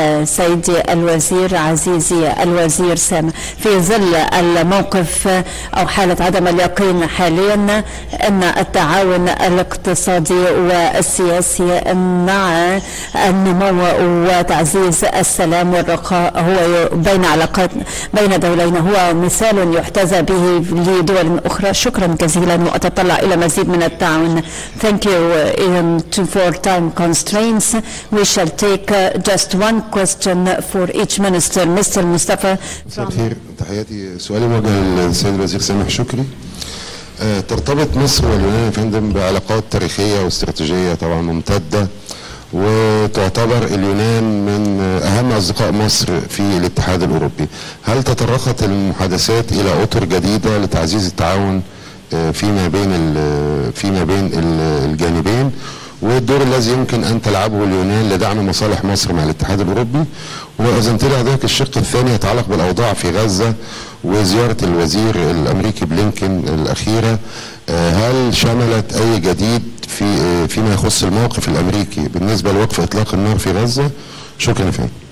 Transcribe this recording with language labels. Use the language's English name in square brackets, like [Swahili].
[Arabic] سيدي الوزير، عزيزي الوزير سامة، في ظل الموقف أو حالة عدم اليقين حاليا، أن التعاون الاقتصادي والسياسي مع النمو وتعزيز السلام والرخاء هو بين علاقات بين دولين هو مثال يحتذى به لدول أخرى. شكرا جزيلا وأتطلع إلى مزيد من التعاون. [English] Thank you for time constraints. We shall take just one question for each minister. Mr. Mustafa. [Arabic] تحياتي. سؤالي موجه للسيد الوزير سامح شكري. ترتبط مصر واليونان يا فندم بعلاقات تاريخية واستراتيجية طبعا ممتدة، وتعتبر اليونان من أهم أصدقاء مصر في الاتحاد الأوروبي. هل تطرقت المحادثات إلى أطر جديدة لتعزيز التعاون فيما بين الجانبين؟ والدور الذي يمكن أن تلعبه اليونان لدعم مصالح مصر مع الاتحاد الأوروبي؟ وأزمت لي هذاك الشق الثاني يتعلق بالأوضاع في غزة وزيارة الوزير الأمريكي بلينكين الأخيرة، هل شملت أي جديد فيما يخص الموقف الأمريكي بالنسبة لوقف إطلاق النار في غزة؟ شكرا فيه.